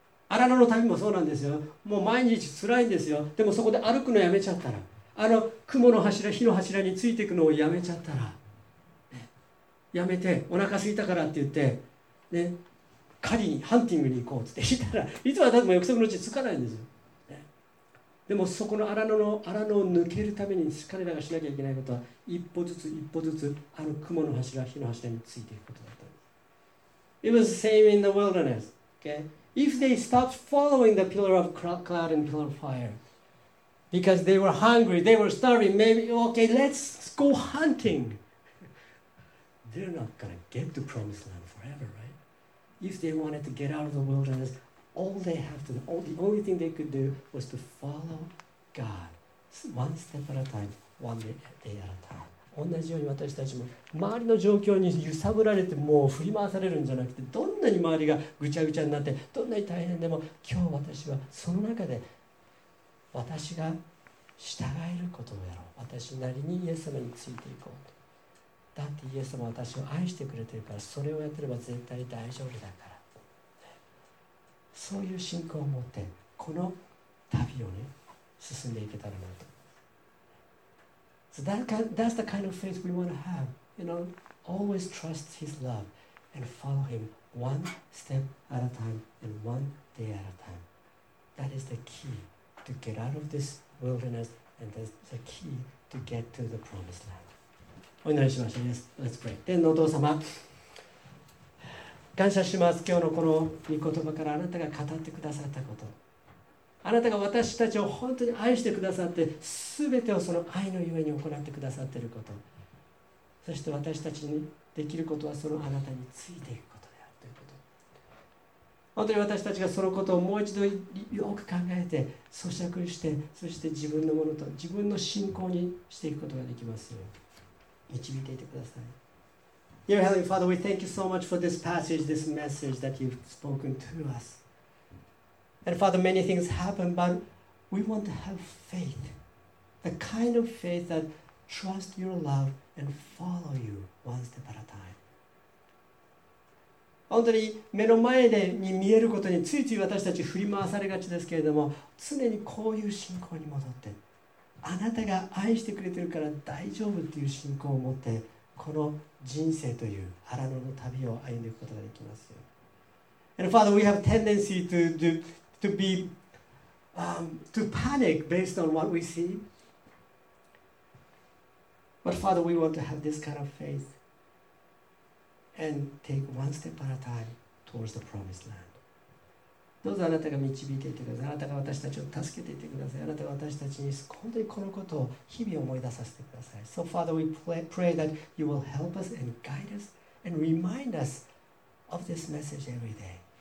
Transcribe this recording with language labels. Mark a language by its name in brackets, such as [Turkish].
[Japanese] アラノの旅もそうなんですよ。もう毎日辛いんですよ。でもそこで歩くのやめちゃったら、あの雲の柱、火の柱についていくのをやめちゃったら、ね、やめてお腹空いたからって言って、ね、狩りに、ハンティングに行こうって言ったら、いつまでも約束の地つかないんですよ。でもそこの荒野を抜けるために彼らがしなきゃいけないことは、一歩ずつ一歩ずつあの雲の柱、火の柱についていくことだったんです。 [English] It was the same in the wilderness. Okay? If they stopped following the pillar of cloud and pillar of fire because they were hungry, they were starving, maybe, okay, let's go hunting. They're not gonna get to promised land forever, right? If they wanted to get out of the wilderness,All they have to do, the only thing they could do was to follow God. One step at a time, one day at a time. [Japanese] 同じように私たちも周りの状況に揺さぶられてもう振り回されるんじゃなくて、どんなに周りがぐちゃぐちゃになって、どんなに大変でも、今日私はその中で私が従えることをやろう。私なりにイエス様についていこうと。だってイエス様は私を愛してくれてるから、それをやってれば絶対大丈夫だから。そういう信仰を持ってこの旅をね進んでいけたらなと。 [English] So that's the kind of faith we want to have, you know, always trust His love and follow Him one step at a time and one day at a time. That is the key to get out of this wilderness and that's the key to get to the promised land. [Japanese] お祈りしましょう。 [English] Yes, let's pray. [Japanese] 天のお父様。感謝します。今日のこの御言葉からあなたが語ってくださったこと、あなたが私たちを本当に愛してくださって、すべてをその愛のゆえに行ってくださっていること、そして私たちにできることはそのあなたについていくことであるということ、本当に私たちがそのことをもう一度よく考えて咀嚼して、そして自分のものと自分の信仰にしていくことができますように、導いていてください。 [English] Dear Heavenly Father, we thank you so much for this passage, this message that you've spoken to us. And Father, many things happen, but we want to have faith, the kind of faith that trusts your love and follow you one step at a time. [Japanese] 本当に目の前でに見えることについつい私たち振り回されがちですけれども、常にこういう信仰に戻って、あなたが愛してくれてるから大丈夫っていう信仰を持って、この人生という荒野の旅を歩んでいくことができますよ。 [English] And Father, we have tendency to panic based on what we see. But Father, we want to have this kind of faithAnd take one step at a time towards the promised land. [Japanese] どうぞあなたが導いていてください。あなたが私たちを助けていてください。あなたが私たちに本当にこのことを日々思い出させてください。 [English] So Father, we pray that you will help us and guide us and remind us of this message every day.